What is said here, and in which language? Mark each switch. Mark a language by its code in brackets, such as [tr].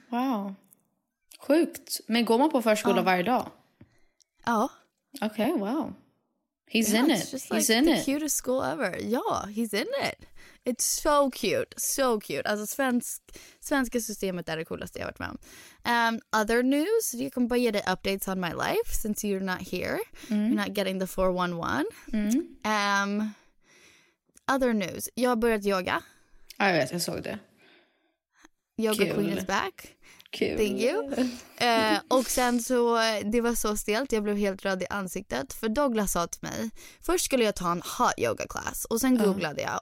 [sv] Wow. Sjukt. Men går man på förskola varje dag? Ja. [en] Okay, wow. He's in it. He's in it. The cutest school ever. Ja, he's in it. It's so cute, so cute. [sv] Alltså svenska systemet är det coolaste jag har varit med om. [en] Other news, you can buy the updates on my life since you're not here. Mm. You're not getting the 411. Mm. Other news, [sv] jag har börjat yoga. Jag vet, jag såg det. Yoga kul. [en] Queen is back. [sv] Kul. [en] Thank you. [sv] Och sen så, det var så stelt, jag blev helt röd i ansiktet. För Douglas sa till mig, först skulle jag ta en [en] hot yoga class. [sv] Och sen googlade jag.